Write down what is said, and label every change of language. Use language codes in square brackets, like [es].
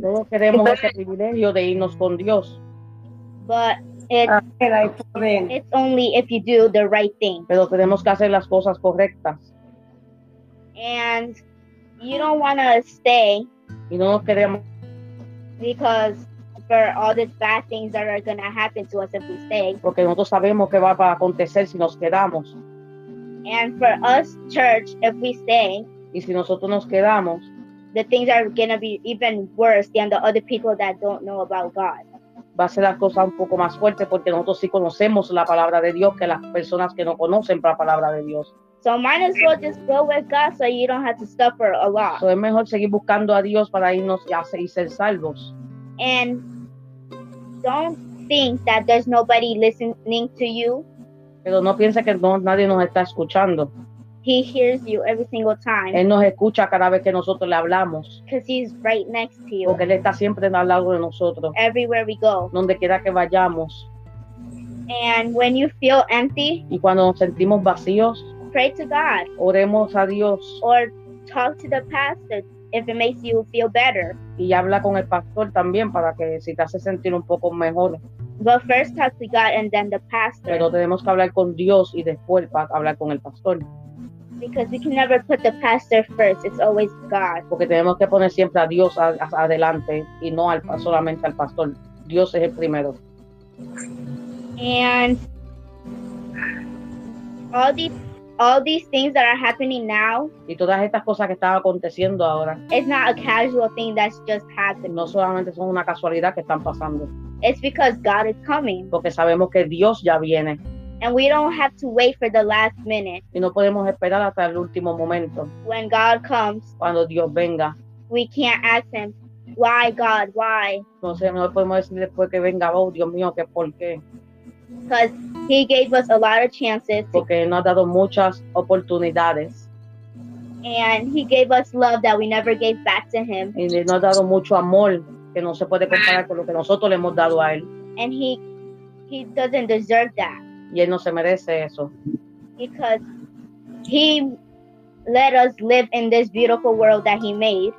[es] Todos queremos ese privilegio de irnos con Dios. [en] But it's only if you do the right thing. [es] Pero tenemos que hacer las cosas correctas. [en] And you don't want to stay. [es] Y no queremos. [en] Because for all these bad things that are going to happen to us if we stay. [es] Porque nosotros sabemos qué va a acontecer si nos quedamos. [en] And for us, church, if we stay. [es] Y si nosotros nos quedamos. [en] The things are going to be even worse than the other people that don't know about God. [es] Va a ser la cosa un poco más fuerte porque nosotros sí conocemos la palabra de Dios que las personas que no conocen la palabra de Dios. [en] So might as well just go with God so you don't have to suffer a lot. [es] So es mejor seguir buscando a Dios para irnos y ser salvos. [en] And don't think that there's nobody listening to you. [es] Pero no piense que no, nadie nos está escuchando. [en] He hears you every single time. [es] Él nos escucha cada vez que nosotros le hablamos. [en] Because he's right next to you. [es] Porque él está siempre al lado de nosotros. [en] Everywhere we go. [es] Donde quiera que vayamos. [en] And when you feel empty. [es] Y cuando nos sentimos vacíos. [en] Pray to God. [es] Oremos a Dios. [en] Or talk to the pastor if it makes you feel better. [es] Y habla con el pastor también para que si te hace sentir un poco mejor. [en] But first talk to God and then the pastor. [es] Pero tenemos que hablar con Dios y después para hablar con el pastor. [en] Because we can never put the pastor first. It's always God. [es] Porque tenemos que poner siempre a Dios adelante y no solamente al pastor. Dios es el primero. [en] And all these things that are happening now. [es] Y todas estas cosas que están aconteciendo ahora. [en] It's not a casual thing that's just happening. [es] No solamente son una casualidad que están pasando. [en] It's because God is coming. [es] Porque sabemos que Dios ya viene. [en] And we don't have to wait for the last minute. [es] Y no podemos esperar hasta el último momento. [en] When God comes. [es] Cuando Dios venga. [en] We can't ask Him, why God, why? [es] No sé, no podemos decir después que venga, oh Dios mío, que por qué. [en] Because He gave us a lot of chances. [es] Porque nos ha dado muchas oportunidades. [en] And He gave us love that we never gave back to Him. [es] Y nos ha dado mucho amor que no se puede comparar con lo que nosotros le hemos dado a Él. [en] And He doesn't deserve that. [es] Y él no se merece eso. [en] Because he let us live in this beautiful world that he made.